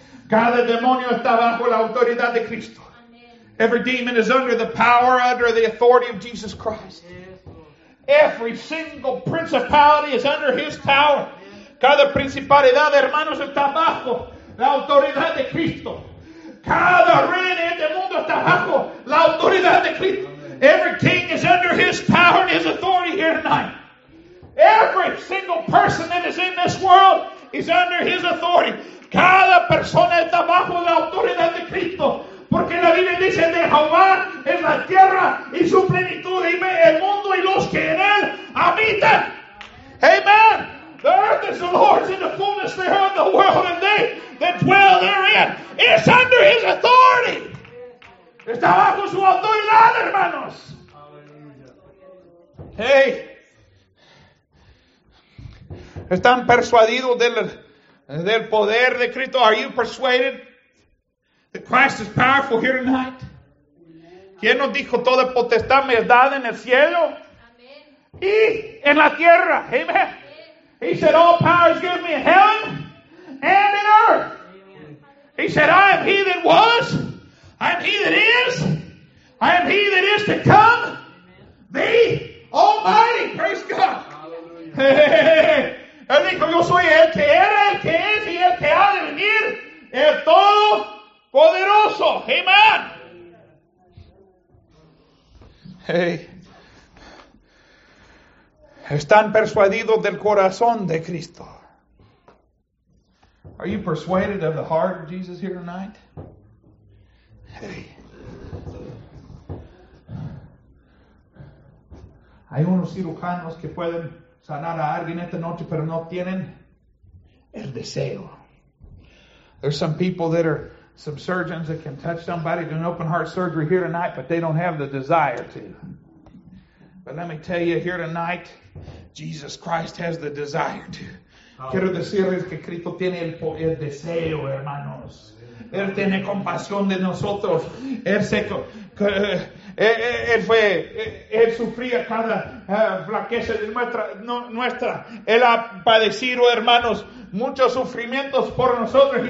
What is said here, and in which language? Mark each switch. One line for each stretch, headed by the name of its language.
Spanish: Cada demonio está bajo la autoridad de Cristo. Amen.
English: Every demon is under the power, under the authority of Jesus Christ. Yes. Every single principality is under his power. Amen.
Spanish: Cada principalidad, hermanos, está bajo la autoridad de Cristo. Cada rey de este mundo está bajo la autoridad de Cristo.
English: Every king is under his power and his authority here tonight. Every single person that is in this world is under his authority.
Spanish: Cada persona está bajo la autoridad de Cristo. Porque la Biblia dice de Jehová es la tierra y su plenitud. Y el mundo y los que en él habitan. Amen.
English: The earth is the Lord's and the fullness thereof, the world and they that dwell therein. It's under his authority.
Spanish: Está bajo su autoridad, hermanos. Hey. ¿Están persuadidos del poder de Cristo?
English: Are you persuaded that Christ is powerful here tonight?
Spanish: ¿Quién nos dijo toda potestad me es dada en el cielo? Amen. Y en la tierra. Amen. Amen.
English: He said, all power is given me in heaven and in earth. Amen. He said, I am he that was. I am he that is. I am he that is to come. Amen. The Almighty. Praise God. Hallelujah.
Spanish: Él dijo, yo soy el que era, el que es, y el que ha de venir, el todo poderoso. Amen. Hey. ¿Están persuadidos del corazón de Cristo?
English: Are you persuaded of the heart of Jesus here tonight? Hey.
Spanish: Hay unos cirujanos que pueden sanar a alguien esta noche, pero no tienen el deseo.
English: There's some people that are some surgeons that can touch somebody, do an open heart surgery here tonight, but they don't have the desire to. But let me tell you, here tonight, Jesus Christ has the desire to.
Spanish: Quiero decirles que Cristo tiene el deseo, hermanos. Él tiene compasión de nosotros. Él sufría cada flaqueza de nuestra. Él ha padecido, hermanos, muchos sufrimientos por nosotros.